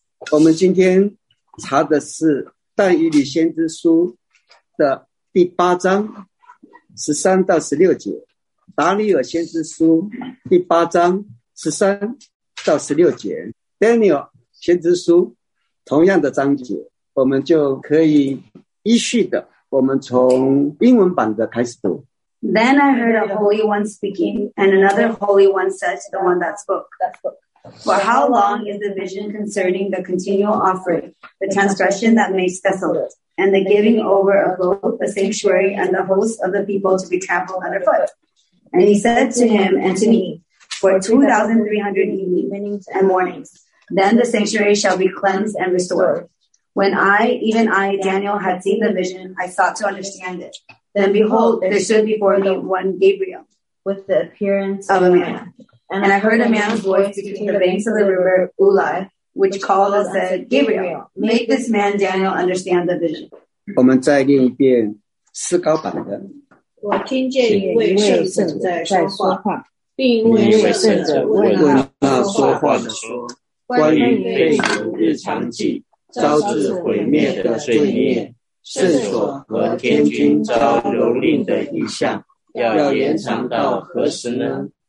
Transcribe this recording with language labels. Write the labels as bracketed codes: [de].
[zh] 我们今天查的是但以理先知书的第八章13-16节，达尼尔先知书第八章13-16节， Daniel 先知书同样的章节，我们就可以依序的，我们从英文版的开始读。 [en] Then I heard a holy one speaking, and another holy one said to the one that spoke, For how long is the vision concerning the continual offering, the transgression that makes desolate, and the giving over of both the sanctuary and the host of the people to be trampled underfoot? And he said to him and to me, For 2,300 evenings and mornings, then the sanctuary shall be cleansed and restored. When I, even I, Daniel, had seen the vision, I sought to understand it. Then behold, there stood before me one Gabriel with the appearance of a man. And I heard a man's voice between the banks of the river Ulai, which called and said, Gabriel, make this man Daniel understand the vision. [zh] 我们再念一遍诗高版的。我听见一位圣者在说话，另一位圣者问那说话的说，关于被囚日常记招致毁灭的罪孽，圣所和天君遭蹂躏的意象，要延长到何时呢？